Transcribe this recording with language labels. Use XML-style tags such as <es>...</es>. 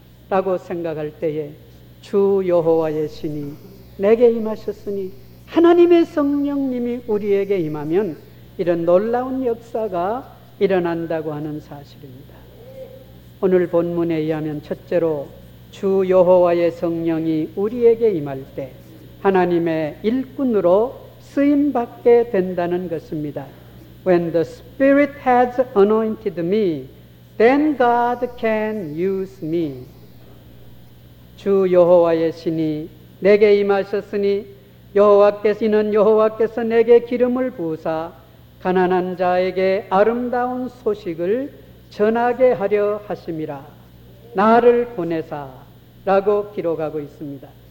<ko>라고 생각할 때에 주 여호와의 신이 내게 임하셨으니 하나님의 성령님이 우리에게 임하면 이런 놀라운 역사가 일어난다고 하는 사실입니다. 오늘 본문에 의하면 첫째로 주 여호와의 성령이 우리에게 임할 때 하나님의 일꾼으로 쓰임받게 된다는 것입니다.</ko> <en>When the Spirit has anointed me, then God can use me.</en> <ko>주 여호와의 신이 내게 임하셨으니 여호와께서 내게 기름을 부으사 가난한 자에게 아름다운 소식을 전하게 하려 하심이라. 나를 보내사 라고 기록하고 있습니다.</ko>